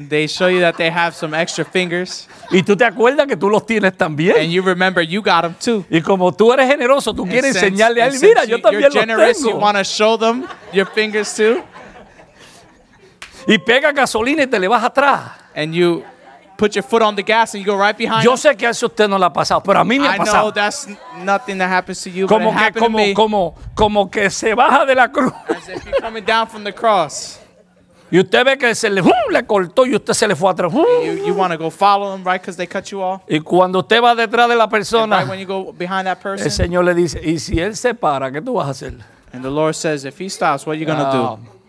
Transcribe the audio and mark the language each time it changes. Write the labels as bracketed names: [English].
[English] They show you that they have some extra fingers. [Spanish] Y tú te acuerdas que tú los tienes también. [English] And you remember you got them too. [Spanish] Y como tú eres generoso, tú quieres enseñarle a él. Mira, yo también los tengo. [English] You're generous. You want to show them your fingers too. [Spanish] Y pega gasolina y te le vas atrás. [English] And you put your foot on the gas and you go right behind. [Spanish] Yo sé que eso usted no lo ha pasado, pero a mí me ha pasado. [English] I know that's nothing that happens to you, [Spanish] como [English] but it happened [Spanish] como, [English] to me. [Spanish] Como que se baja de la cruz. [English] As if you're coming down from the cross. [Spanish] Y usted ve que se le cortó y usted se le fue atrás. [English] You want to go follow them, right, because they cut you off. [Spanish] Y cuando usted va detrás de la persona, [English] right when you go behind that person, [Spanish] el Señor le dice, y si él se para, ¿qué tú vas a hacer? [English] And the Lord says, if he stops, what are you going to do?